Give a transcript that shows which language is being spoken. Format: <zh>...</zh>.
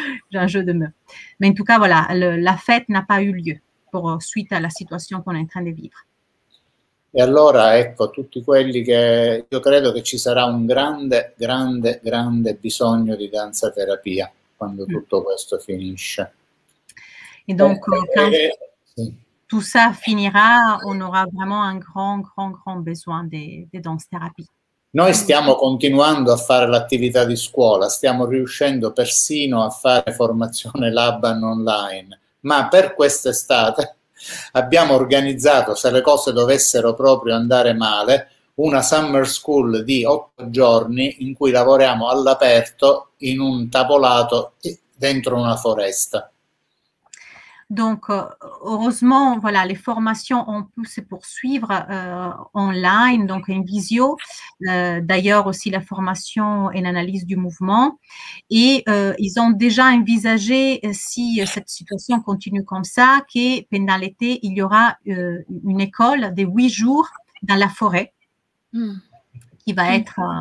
<fr>J'ai un jeu de mots. Mais en tout cas voilà, la fête n'a pas eu lieu pour suite à la situation qu'on est en train de vivre.</fr> <it>E allora ecco tutti quelli che io credo che ci sarà un grande, grande, grande bisogno di danza terapia quando tutto questo finisce.</it> <fr>E donc, quand tout ça finirà, on aura vraiment un grand, grand, grand besoin de danza terapia.</fr> <it>Noi stiamo continuando a fare l'attività di scuola, stiamo riuscendo persino a fare formazione Laban online, ma per quest'estate abbiamo organizzato, se le cose dovessero proprio andare male, una summer school di 8 giorni in cui lavoriamo all'aperto in un tavolato dentro una foresta.</it> <fr>Donc, heureusement, voilà, les formations ont pu se poursuivre online, donc en visio. D'ailleurs, aussi la formation et l'analyse du mouvement. Et ils ont déjà envisagé, si cette situation continue comme ça, que pendant l'été, il y aura une école de 8 jours dans la forêt qui va être</fr>